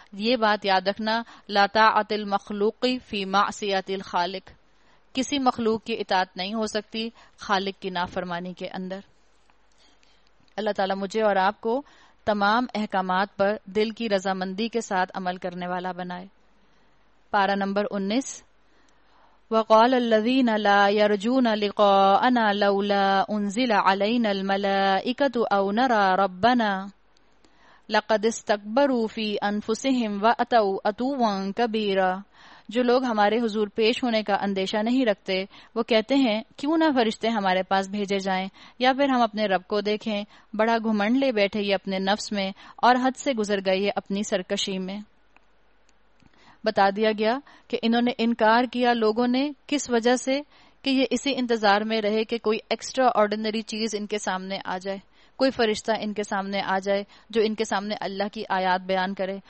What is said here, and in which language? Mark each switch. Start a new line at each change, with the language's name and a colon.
Urdu: یہ بات یاد رکھنا،
Arabic: لا طاعت المخلوق فی معصیت الخالق،
Urdu: کسی مخلوق کی اطاعت نہیں ہو سکتی خالق کی نافرمانی کے اندر. اللہ تعالیٰ مجھے اور آپ کو تمام احکامات پر دل کی رضامندی کے ساتھ عمل کرنے والا بنائے. پارہ نمبر 19.
Arabic: وقال الذين لا يرجون لقاءنا لولا انزل علينا الملائكة او نرى ربنا لقد استكبروا في انفسهم واتوا اتوا كبيرا.
Urdu: جو لوگ ہمارے حضور پیش ہونے کا اندیشہ نہیں رکھتے وہ کہتے ہیں کیوں نہ فرشتے ہمارے پاس بھیجے جائیں یا پھر ہم اپنے رب کو دیکھیں، بڑا گھمنڈ لے بیٹھے یہ اپنے نفس میں اور حد سے گزر گئی ہے اپنی سرکشی میں. بتا دیا گیا کہ انہوں نے انکار کیا لوگوں نے کس وجہ سے، کہ یہ اسی انتظار میں رہے کہ کوئی ایکسٹرا آرڈینری چیز ان کے سامنے آ جائے، کوئی فرشتہ ان کے سامنے آ جائے جو ان کے سامنے اللہ کی آیات بیان کرے.